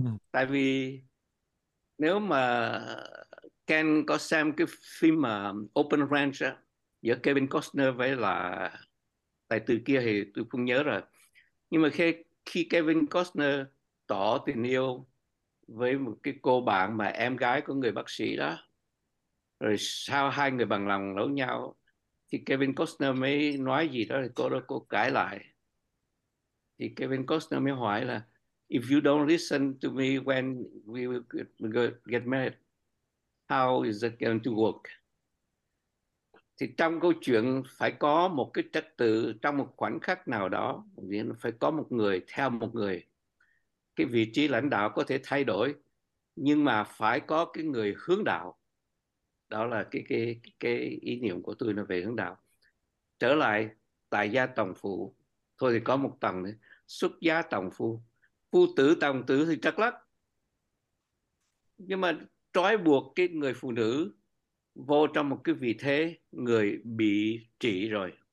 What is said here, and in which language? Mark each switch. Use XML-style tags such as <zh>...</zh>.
<vi>Tại vì nếu mà Ken có xem cái phim mà Open Range á, giữa Kevin Costner với là tài tử kia thì tôi không nhớ rồi. Nhưng mà khi Kevin Costner tỏ tình yêu với một cái cô bạn mà em gái của người bác sĩ đó, rồi sau hai người bằng lòng lẫn nhau thì Kevin Costner mới nói gì đó, thì cô đó cô cãi lại. Thì Kevin Costner mới hỏi là</vi> <en>if you don't listen to me when we get married, how is it going to work?</en> <vi>Thì trong câu chuyện phải có một cái trật tự, trong một khoảnh khắc nào đó phải có một người theo một người. Cái vị trí lãnh đạo có thể thay đổi nhưng mà phải có cái người hướng đạo. Đó là cái ý niệm của tôi là về hướng đạo. Trở lại tại gia tòng phụ, thôi thì có một tầng nữa, xuất gia tòng phu, phu tử tòng tử thì chắc lắc, nhưng mà trói buộc cái người phụ nữ vô trong một cái vị thế người bị trị rồi.</vi>